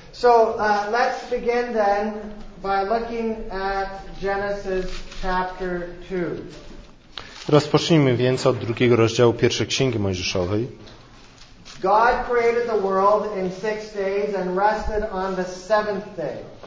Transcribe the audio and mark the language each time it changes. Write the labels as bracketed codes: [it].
[en] So let's begin then by looking at Genesis chapter 2. [pl] Rozpocznijmy więc od drugiego rozdziału pierwszej księgi Mojżeszowej. [en] God created the world in 6 days and rested on the 7th day.